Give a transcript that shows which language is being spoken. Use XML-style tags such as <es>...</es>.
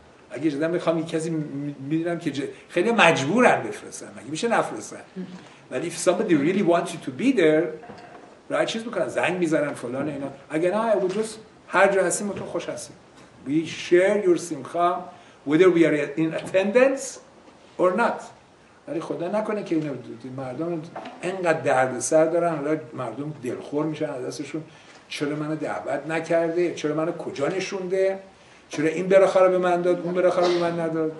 <fa>اگه جدا میخوام یک کسی میدونم که خیلی مجبورن بفرستم اگه میشه نفرستم، ولی</fa> <en>if somebody really wants you to be there</en> <fa>رای چیز میکنن زنگ میزنن فلان اینا. اگه نه اگه جز هر جا هستیم و تو خوش هستیم.</fa> <en>We share your simcha whether we are in attendance or not.</en> <fa>ولی خدا نکنه که اینو مردم اینقدر درد سر دارن حالا مردم دلخور میشن از دستشون چرا منو دعوت نکرده، چرا منو کجا نشونده، چرا این براخه رو به من داد اون براخه رو به من نداد.</fa>